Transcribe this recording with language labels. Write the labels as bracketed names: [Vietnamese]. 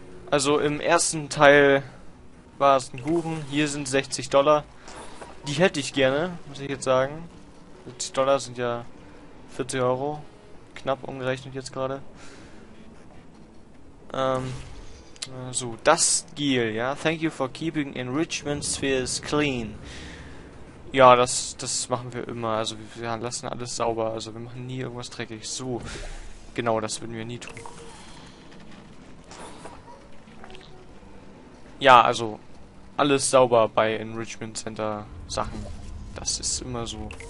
[German] Also im ersten Teil war es ein Kuchen, hier sind 60 Dollar. Die hätte ich gerne, muss ich jetzt sagen. 60 Dollar sind ja 40 Euro. Knapp umgerechnet jetzt gerade. So, das Giel, ja. [English] Thank you for keeping enrichment spheres clean. [German] Ja, das machen wir immer. Also wir lassen alles sauber. Also wir machen nie irgendwas dreckig. So, genau, das würden wir nie tun. Ja, also, alles sauber bei Enrichment Center Sachen. Das ist immer so.